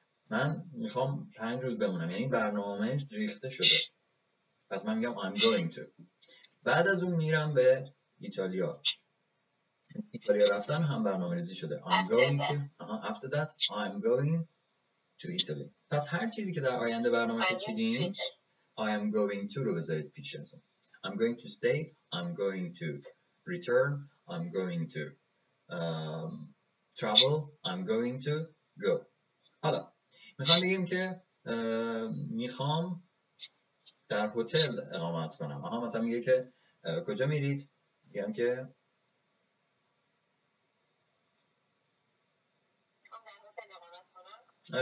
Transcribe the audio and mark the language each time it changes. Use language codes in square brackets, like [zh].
[fa] من میخوام 5 روز بمونم، یعنی برنامه ریخته شده، پس من میگم [en] I'm going to. [fa] بعد از اون میرم به ایتالیا، ایتالیا رفتن هم برنامه ریزی شده، [en] I'm going to. After that I'm going to Italy. [fa] پس هر چیزی که در آینده برنامه شد چیدین، [en] I am going to [fa] رو بذارید پیش از اون. [en] I'm going to stay, I'm going to return, I'm going to travel, I'm going to go. [fa] حالا میخوام بگیم که میخوام در هتل اقامت کنم، آها مثلا میگه که کجا میرید، میگم که میخوام در هتل اقامت کنم.